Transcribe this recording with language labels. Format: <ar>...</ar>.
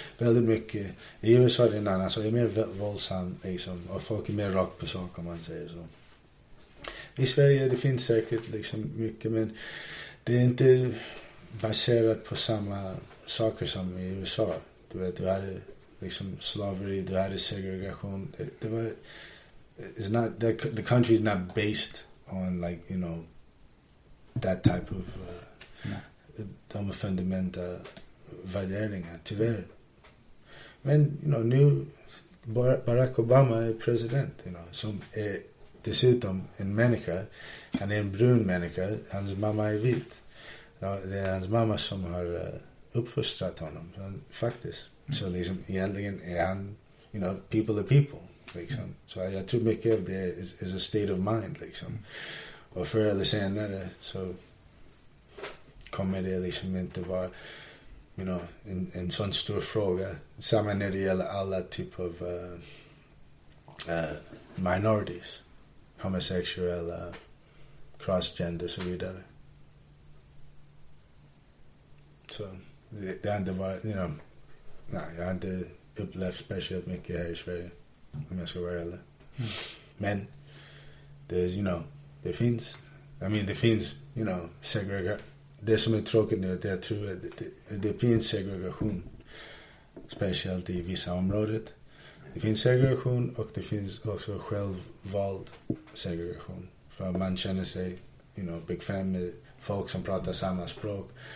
<sv>Väldigt mycket i USA är det en annan, så det är mer våldsam liksom, och folk är mer rakt på sak om man säger så. I Sverige det finns säkert liksom mycket, men det är inte baserat på samma saker som i USA. Du vet, du hade liksom slavery, du hade segregation. Det var,</sv> <en>it's not, the country is not based on, like, you know, that type of</en> <sv>de fundamenta värderingar, tyvärr. Men,</sv> <en>you know,</en> <sv>nu Barack Obama är president, you know, som är dessutom en människa. Han är en brun människa, hans mamma är vit. Det är hans mamma som har uppfostrat honom, faktiskt. Så liksom, egentligen är han,</sv> <en>you know, people are people,</en> <sv>liksom. Så jag tror mycket av det</sv> <en>is a state of mind,</en> <sv>liksom. Och förr eller senare så kommer det liksom inte vara,</sv> <en>you know,</en> <sv>en sån stor fråga. Samma när det gäller alla typer av minorities, homosexuella, crossgender och så vidare. Så det har inte varit,</sv> <en>you know,</en> <sv>jag har inte upplevt speciellt mycket här i Sverige, om jag ska vara ärlig. Men</sv> <en>there's, you know,</en> <sv>det finns,</sv> <en>I mean, det finns, you know, segregation.</en> <sv>Det som är tråkigt nu är att jag tror att det finns segregation, speciellt i vissa områden. Det finns segregation och det finns också självvald segregation. För man känner sig,</sv> <en>you know,</en> <sv>bekväm med folk som pratar samma språk.</sv>